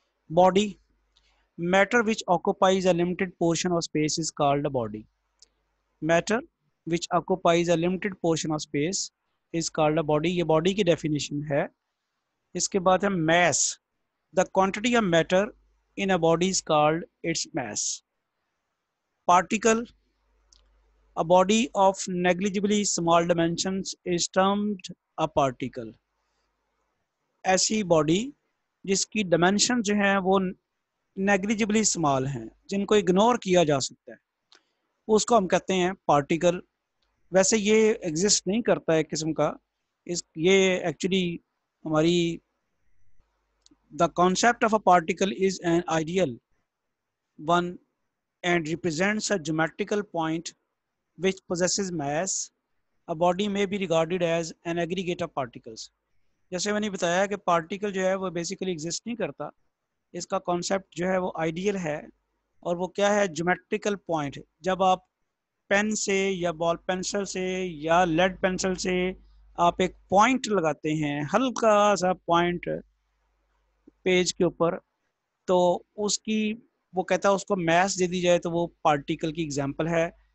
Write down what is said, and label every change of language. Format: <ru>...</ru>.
<en>Body, matter which occupies a limited portion of space is called a body. Matter which occupies a limited portion of space is called a body.</en> <ur>یہ body کی definition ہے. اس کے بعد ہے</ur> <en>Mass, the quantity of matter in a body is called its mass. Particle, a body of negligibly small dimensions is termed a particle.</en> <ur>ایسی body جس کی dimension جو ہیں وہ نیگلیجبلی اسمال ہیں, جن کو اگنور کیا جا سکتا ہے, اس کو ہم کہتے ہیں پارٹیکل. ویسے یہ ایگزسٹ نہیں کرتا ہے قسم کا. یہ ایکچولی ہماری</ur> <en>The concept of a particle is an ideal one and represents a geometrical point which possesses mass. A body may be regarded as an aggregate of particles.</en> <ur>جیسے میں نے بتایا کہ پارٹیکل جو ہے وہ بیسیکلی ایگزسٹ نہیں کرتا, اس کا کانسیپٹ جو ہے وہ آئیڈیل ہے. اور وہ کیا ہے, جیومیٹریکل پوائنٹ. جب آپ پین سے یا بال پینسل سے یا لیڈ پینسل سے آپ ایک پوائنٹ لگاتے ہیں, ہلکا سا پوائنٹ پیج کے اوپر, تو اس کی وہ کہتا ہے اس کو میس دے دی جائے تو وہ پارٹیکل کی ایگزامپل ہے.</ur>